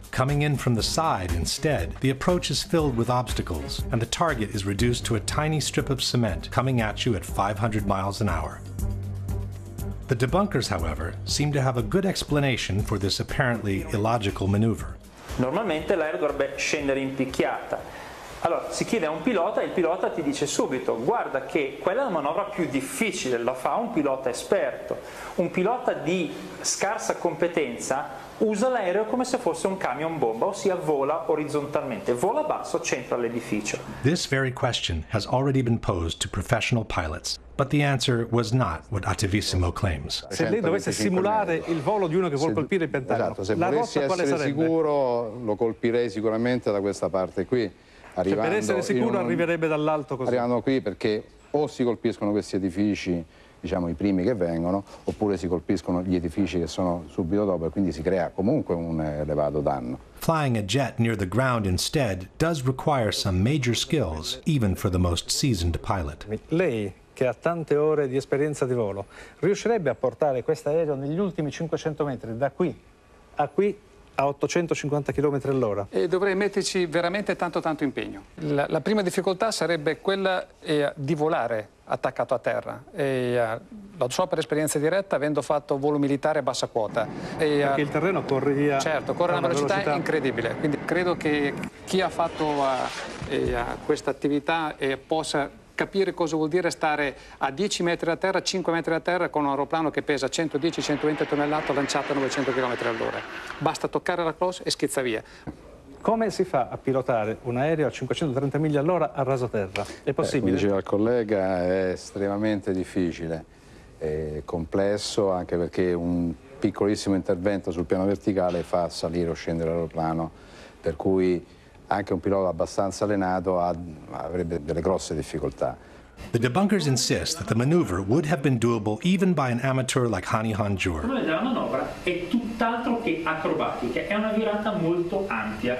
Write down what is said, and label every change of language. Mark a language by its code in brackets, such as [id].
[en] Coming in from the side instead, the approach is filled with obstacles, and the target is reduced to a tiny strip of cement coming at you at 500 miles an hour. The debunkers, however, seem to have a good explanation for this apparently illogical maneuver. [it] Normalmente l'aereo dovrebbe scendere in picchiata. Allora, si chiede a un pilota e il pilota ti dice subito, guarda che quella è la manovra più difficile, la fa un pilota esperto. Un pilota di scarsa competenza usa l'aereo come se fosse un camion bomba, ossia vola orizzontalmente, vola basso, centra l'edificio. [en] This very question has already been posed to professional pilots, but the answer was not what Attivissimo claims. [it] Se lei dovesse simulare il volo di uno che vuole colpire il Pentagono, esatto, la rotta quale sarebbe? Se volessi essere sicuro, lo colpirei sicuramente da questa parte qui. Cioè, per essere sicuro arriverebbe dall'alto così. Arrivando qui perché o si colpiscono questi edifici, diciamo i primi che vengono, oppure si colpiscono gli edifici che sono subito dopo e quindi si crea comunque un elevato danno. [en] Flying a jet near the ground instead does require some major skills, even for the most seasoned pilot. [it] Lei, che ha tante ore di esperienza di volo, riuscirebbe a portare questo aereo negli ultimi 500 metri, da qui a qui, a 850 km all'ora? E dovrei metterci veramente tanto tanto impegno. La prima difficoltà sarebbe quella di volare attaccato a terra. Lo so per esperienza diretta, avendo fatto volo militare a bassa quota. Perché il terreno corre via. Certo, corre a una velocità, velocità incredibile. Quindi credo che chi ha fatto questa attività possa capire cosa vuol dire stare a 10 metri da terra, 5 metri da terra con un aeroplano che pesa 110-120 tonnellate lanciato a 900 km all'ora. Basta toccare la close e schizza via. Come si fa a pilotare un aereo a 530 miglia all'ora a raso terra? È possibile? Come diceva il collega, è estremamente difficile, è complesso, anche perché un piccolissimo intervento sul piano verticale fa salire o scendere l'aeroplano, per cui anche un pilota abbastanza allenato avrebbe delle grosse difficoltà. [en] The debunkers insist that the maneuver would have been doable even by an amateur like Hani Hanjour. [it] Il problema della manovra è tutt'altro che acrobatica, è una virata molto ampia.